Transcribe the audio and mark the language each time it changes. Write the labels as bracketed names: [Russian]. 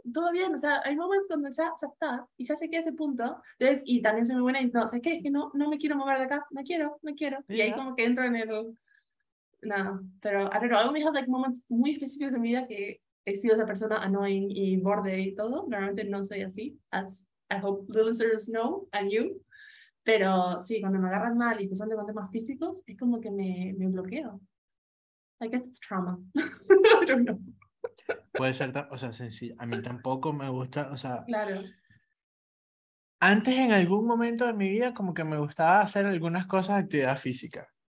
[Spanish] Todo bien. O sea, hay momentos cuando ya está. Y ya sé que ese punto. Entonces, y también soy muy buena. Y no, ¿sabes qué? Es que no me quiero mover de acá. No quiero. Y yeah. Ahí como que entro en el... Nada. No, pero, [English] I don't know. I only have like moments [Spanish] muy específicos en mi vida que he sido esa persona annoying y borde y todo. Normalmente no soy así. [English] As I hope the listeners know, and you. [Spanish] Pero sí, cuando me agarran mal y empezando con temas físicos, es como que me bloqueo. [English] I guess it's trauma. I don't know. [Spanish] Puede ser, o sea, sí, a mí tampoco me gusta, o sea... Claro. Antes, en algún momento de mi vida, como que me gustaba hacer algunas cosas de actividad física.